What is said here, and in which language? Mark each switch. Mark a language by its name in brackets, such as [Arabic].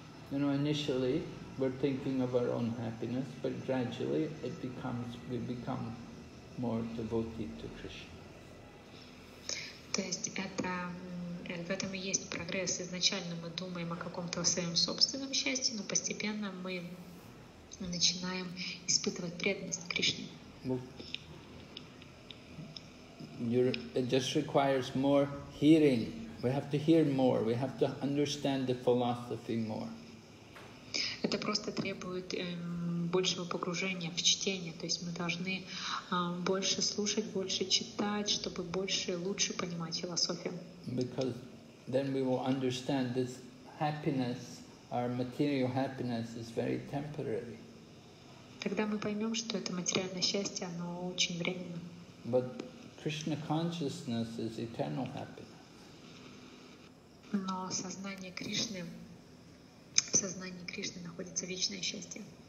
[English] You know, initially we're thinking of our own happiness, but gradually it becomes, we become more devoted to Krishna. [Russian] То есть это, в этом и есть прогресс. Изначально мы думаем о каком-то своем собственном счастье, но постепенно мы начинаем испытывать преданность Кришне. [English] It just requires more hearing. We have to hear more. We have to understand the philosophy more. [Russian] Это просто требует большего погружения в чтение. То есть мы должны больше слушать, больше читать, чтобы больше, лучше понимать философию. [English] Because then we will understand this happiness, our material happiness is very temporary. [Russian] Тогда мы поймем, что это материальное счастье, оно очень временно. [English] But Krishna consciousness is eternal happiness. [Russian] Но сознание Кришны, в сознании Кришны находится вечное счастье.